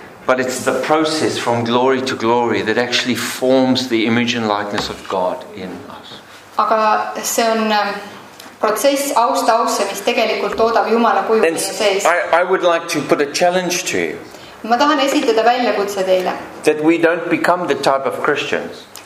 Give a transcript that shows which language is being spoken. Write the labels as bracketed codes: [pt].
[en] But it's the process from glory to glory that actually forms the image and likeness of God in us. [et] Aga see on protsess austausse, mis tegelikult toodab Jumala kujuks meie sees. [en] I would like to put a challenge to you. [et] Ma tahan esitada väljakutse teile. [en] That we don't become the type of Christians.